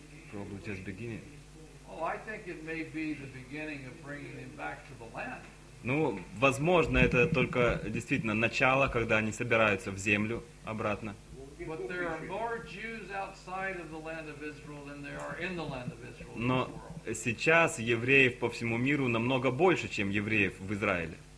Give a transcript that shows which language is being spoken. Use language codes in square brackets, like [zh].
[en] Probably just beginning. Well, I think it may be the beginning of bringing them back to the land. [ru] Ну, возможно, это только действительно начало, когда они собираются в землю обратно. [en] But there are more Jews outside of the land of Israel than there are in the land of Israel. [ru] Но сейчас евреев по всему миру намного больше, чем евреев в Израиле.